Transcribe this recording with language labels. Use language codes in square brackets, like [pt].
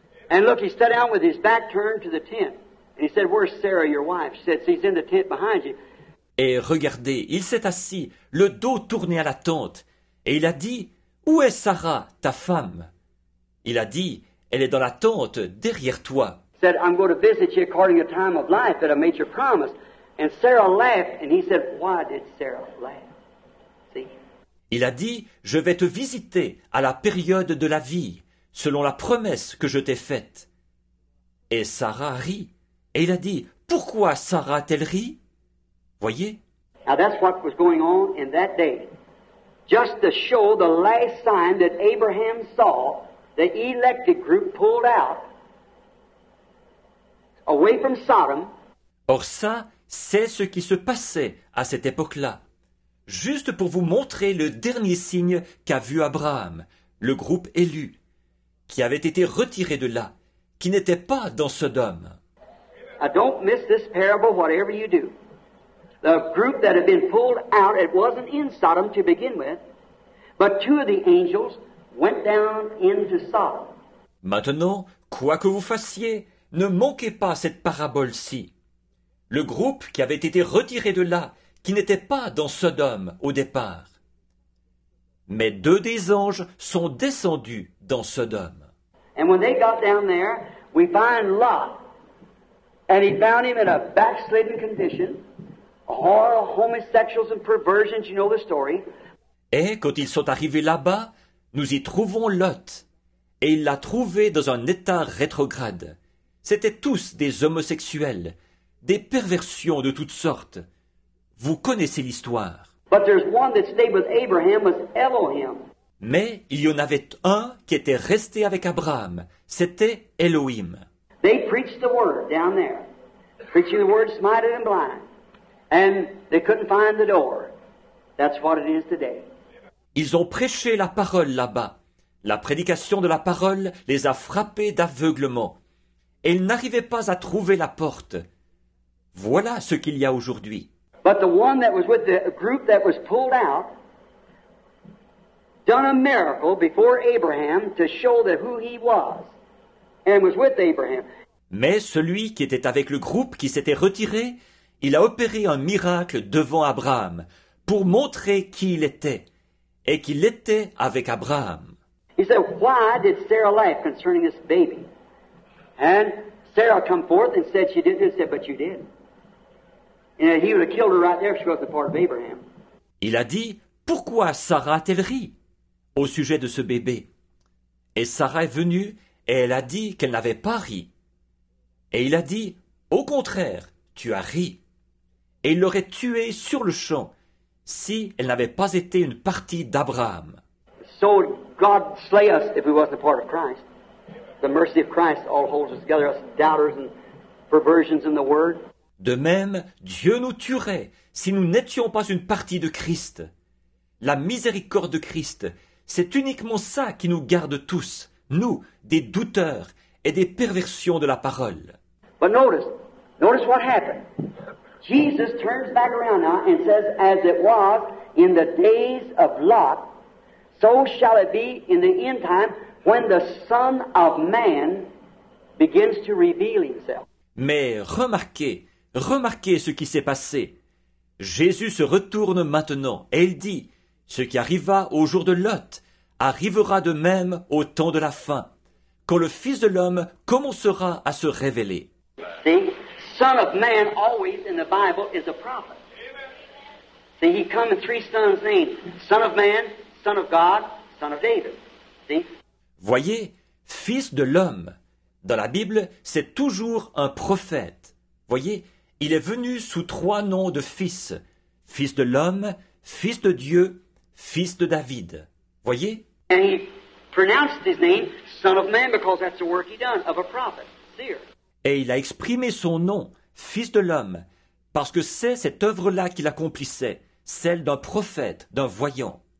[en] And look, he sat down with his back turned to the tent. And he said, where's Sarah, your wife? She said, she's in the tent behind you. [fr] Et regardez, il s'est assis, le dos tourné à la tente. Et il a dit, où est Sarah, ta femme? Il a dit, elle est dans la tente, derrière toi. [en] He said, I'm going to visit you according to the time of life that I made your promise. And Sarah laughed, and he said, why did Sarah laugh? See? [fr] Il a dit, je vais te visiter à la période de la vie, selon la promesse que je t'ai faite. Et Sarah rit. Et il a dit, pourquoi Sarah a-t-elle ri? Voyez. [en] Now that's what was going on in that day. Just to show the last sign that Abraham saw, the elected group pulled out, away from Sodom. [fr] Or ça, c'est ce qui se passait à cette époque-là. Juste pour vous montrer le dernier signe qu'a vu Abraham, le groupe élu, qui avait été retiré de là, qui n'était pas dans Sodome. [en] I don't miss this parable, whatever you do. The group that had been pulled out, it wasn't in Sodom to begin with, but two of the angels went down into Sodom. [fr] Maintenant, quoi que vous fassiez, ne manquez pas cette parabole-ci. Le groupe qui avait été retiré de là, qui n'était pas dans Sodome au départ. Mais deux des anges sont descendus dans Sodome. [en] And when they got down there, we find Lot, and he found him in a backslidden condition. Homosexuals and perversions, you know the story. [fr] Et quand ils sont arrivés là-bas, nous y trouvons Lot. Et il l'a trouvé dans un état rétrograde. C'étaient tous des homosexuels, des perversions de toutes sortes. Vous connaissez l'histoire. [en] But there's one that stayed with Abraham, was Elohim. [fr] Mais il y en avait un qui était resté avec Abraham. C'était Elohim. [en] They preached the word down there. Preaching the word smited and blind. And they couldn't find the door. That's what it is today. [fr] Ils ont prêché la parole là-bas. La prédication de la parole les a frappés d'aveuglement. Et ils n'arrivaient pas à trouver la porte. Voilà ce qu'il y a aujourd'hui. [en] But the one that was with the group that was pulled out done a miracle before Abraham to show that who he was and was with Abraham. [fr] Mais celui qui était avec le groupe qui s'était retiré, il a opéré un miracle devant Abraham pour montrer qui il était et qu'il était avec Abraham. [en] He said, why did Sarah laugh concerning this baby? And Sarah come forth and said, she didn't. And said, but you did. And he would have killed her right there if she wasn't part of Abraham. [fr] Il a dit, pourquoi Sarah a-t-elle ri au sujet de ce bébé? Et Sarah est venue et elle a dit qu'elle n'avait pas ri. Et il a dit, au contraire, tu as ri. Et il l'aurait tuée sur le champ si elle n'avait pas été une partie d'Abraham. [en] So God slay us if we wasn't a part of Christ. The mercy of Christ all holds us together, us doubters and perversions in the word. [fr] De même, Dieu nous tuerait si nous n'étions pas une partie de Christ. La miséricorde de Christ, c'est uniquement ça qui nous garde tous, nous, des douteurs et des perversions de la parole. [en] But notice what happened. Jesus turns back around now and says, as it was in the days of Lot, so shall it be in the end time when the Son of Man begins to reveal himself. [fr] Mais remarquez ce qui s'est passé. Jésus se retourne maintenant et il dit, ce qui arriva au jour de Lot arrivera de même au temps de la fin, quand le Fils de l'homme commencera à se révéler. [en] See? Son of man always in the Bible is a prophet. Amen. See, he come in three sons' names. Son of man, son of God, son of David. See? [fr] Voyez, fils de l'homme. Dans la Bible, c'est toujours un prophète. Voyez, Il est venu sous trois noms de fils, fils de l'homme, fils de Dieu, fils de David. Voyez? [en] And he pronounced his name, son of man, because that's the work he done, of a prophet, seer. [fr] Et il a exprimé son nom, fils de l'homme, parce que c'est cette œuvre-là qu'il accomplissait, celle d'un prophète, d'un voyant.